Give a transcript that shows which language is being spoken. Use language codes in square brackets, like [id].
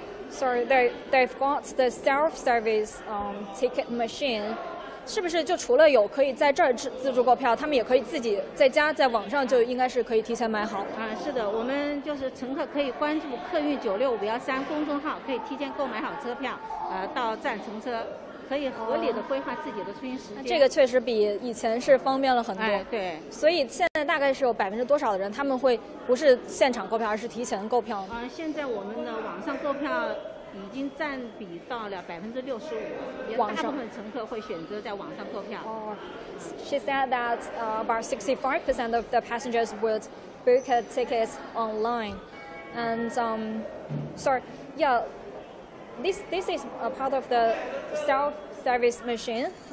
[en] So they've got the self-service ticket machine. [zh] 是不是就除了有可以在这儿自助购票，他们也可以自己在家在网上就应该是可以提前买好？是的，我们就是乘客可以关注客运965-3公众号，可以提前购买好车票，到站乘车，可以合理的规划自己的出行时间。这个确实比以前是方便了很多。对。所以现在大概是有多少的人他们会不是现场购票，而是提前购票？现在我们的网上购票。已经占比到了60%，也大部分乘客会选择在网上购票。She [en] said that about 65% of the passengers would book tickets online. And this is a part of the self-service machine.